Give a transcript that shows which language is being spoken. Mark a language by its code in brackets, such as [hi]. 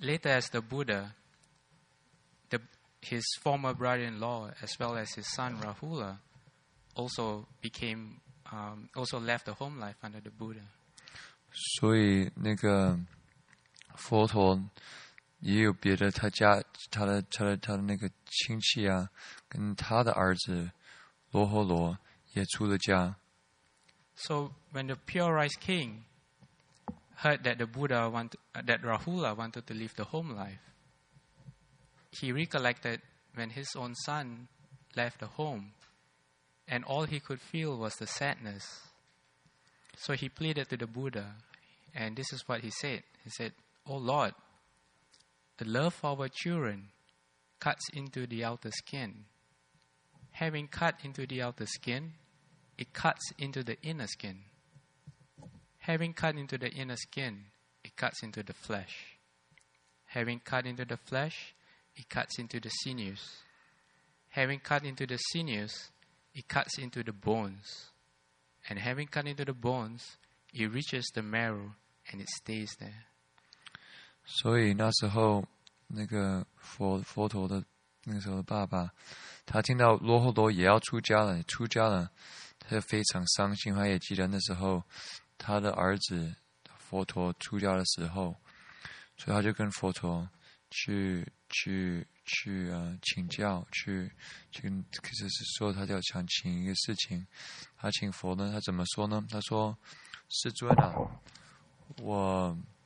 [en] as the Buddha, his former brother-in-law as well as his son Rahula also became also left the home life under the Buddha. [zh] 所以那个佛陀也有别的他家他的那个亲戚啊，跟他的儿子罗诃罗也出了家。 [en] So when the pure rice king heard that the Buddha that Rahula wanted to leave the home life, he recollected when his own son left the home. And all he could feel was the sadness. So he pleaded to the Buddha, and this is what he said. He said, "Oh Lord, the love for our children cuts into the outer skin. Having cut into the outer skin, it cuts into the inner skin. Having cut into the inner skin, it cuts into the flesh. Having cut into the flesh, it cuts into the sinews. Having cut into the sinews, it cuts into the bones. And having cut into the bones, it reaches the marrow and it stays there." [zh] 所以那时候, 那个佛陀的那时候的爸爸，他听到罗侯罗也要出家了，出家了，他就非常伤心，他也记得那时候他的儿子佛陀出家的时候，所以他就跟佛陀去请教，去跟，可是说他就想请一个事情，他请佛呢，他怎么说呢？他说：“世尊啊，我。”